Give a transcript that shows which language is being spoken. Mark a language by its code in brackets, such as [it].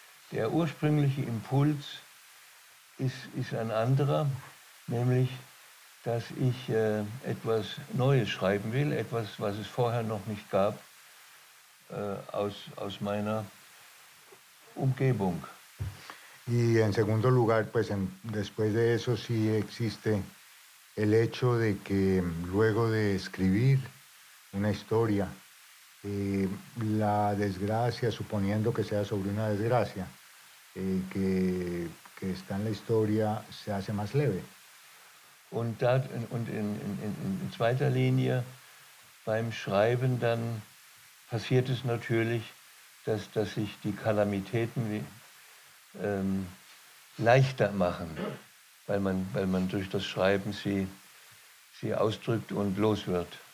[de] Der ursprüngliche Impuls ist ein anderer, nämlich, dass ich etwas Neues schreiben will, etwas, was es vorher noch nicht gab, aus meiner Umgebung. [es] Y en segundo lugar, pues después de eso sí existe el hecho de que luego de escribir una historia, la desgracia, suponiendo que sea sobre una desgracia, que está en la historia, se hace más leve. [de] Und in zweiter Linie beim Schreiben dann passiert es natürlich, dass sich die Kalamitäten leichter machen, weil man durch das Schreiben sie ausdrückt und los wird.